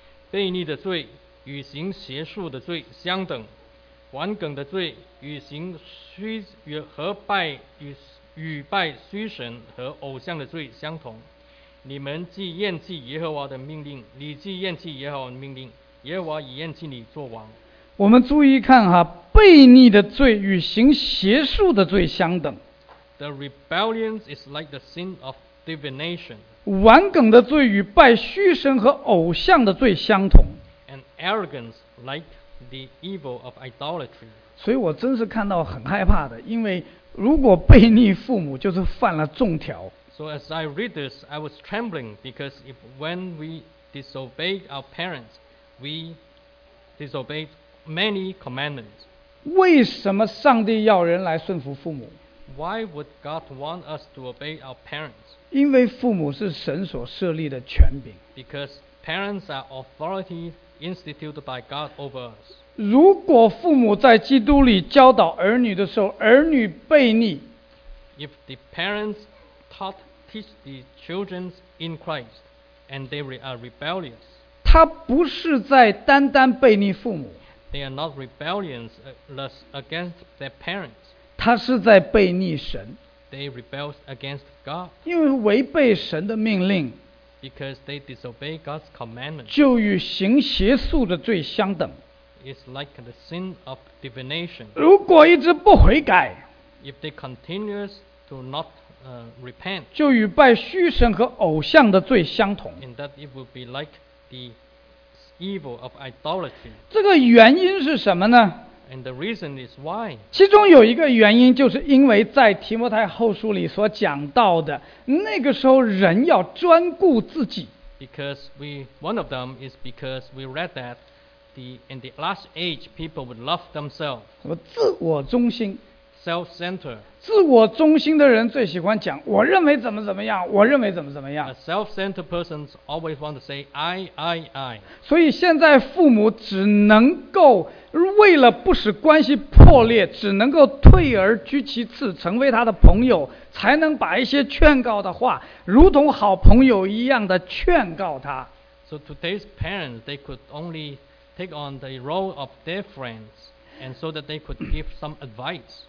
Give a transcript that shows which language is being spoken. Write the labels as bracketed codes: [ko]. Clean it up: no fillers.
[zh] 悖逆的罪与行邪术的罪相等，顽梗的罪与行虚与和拜与拜虚神和偶像的罪相同。你们既厌弃耶和华的命令，你既厌弃耶和华的命令，耶和华已厌弃你做王。我们注意看哈，悖逆的罪与行邪术的罪相等。 [en] The rebellion is like the sin of divination. [zh] 顽梗的罪与拜虚神和偶像的罪相同。 [en] And arrogance like the evil of idolatry. [zh] 所以我真是看到很害怕的，因为如果悖逆父母，就是犯了众条。 [en] So as I read this, I was trembling because if when we disobey our parents, we disobey many commandments. [zh] 为什么上帝要人来顺服父母？ [en] Why would God want us to obey our parents? [zh] 因为父母是神所设立的权柄。 [en] Because parents are authority instituted by God over us. [zh] 如果父母在基督里教导儿女的时候，儿女悖逆， [en] If the parents taught teach the children in Christ and they are rebellious, [zh] 他不是在单单悖逆父母， [en] They are not rebellious against their parents, [zh] 他是在悖逆神， [en] They rebel against God, [zh] 因为违背神的命令， [en] Because they disobey God's commandments, [zh] 就与行邪术的罪相等。 [en] It's like the sin of divination. [zh] 如果一直不悔改， [en] If they continue to not repent, [zh] 就与拜虚神和偶像的罪相同。 [en] In that it would be like the evil of idolatry. [zh] 这个原因是什么呢？ [en] And the reason is why. [zh] 其中有一个原因就是因为在提摩太后书里所讲到的，那个时候人要专顾自己。 [en] Because we, one of them is because we read that. In the last age, people would love themselves. [zh] 什么自我中心 [en] ？Self-centered. [zh] 自我中心的人最喜欢讲，我认为怎么怎么样，我认为怎么怎么样。 [en] A self-centered person always want to say, I. [zh] 所以现在父母只能够为了不使关系破裂，只能够退而居其次，成为他的朋友，才能把一些劝告的话，如同好朋友一样的劝告他。 [en] So today's parents, they could only. Take on the role of their friends, and so that they could give some advice.